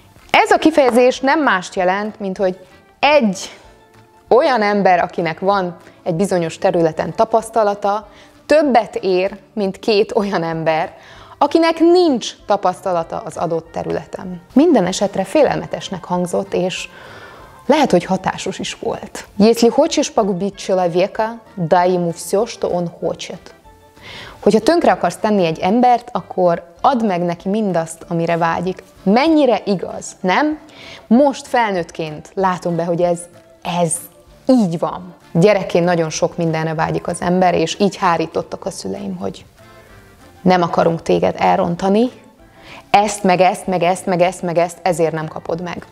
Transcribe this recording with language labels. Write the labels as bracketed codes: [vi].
[hu] Ez a kifejezés nem mást jelent, mint hogy egy olyan ember, akinek van egy bizonyos területen tapasztalata, többet ér, mint két olyan ember, akinek nincs tapasztalata az adott területen. Minden esetre félelmetesnek hangzott, és lehet, hogy hatásos is volt. [ru] Если хочешь погубить человека, дай ему все, что он хочет. [hu] Hogyha tönkre akarsz tenni egy embert, akkor add meg neki mindazt, amire vágyik. Mennyire igaz, nem? Most felnőttként látom be, hogy ez így van. Gyerekként nagyon sok mindenre vágyik az ember, és így hárítottak a szüleim, hogy nem akarunk téged elrontani, ezt, meg ezt, meg ezt, meg ezt, meg ezt, ezért nem kapod meg.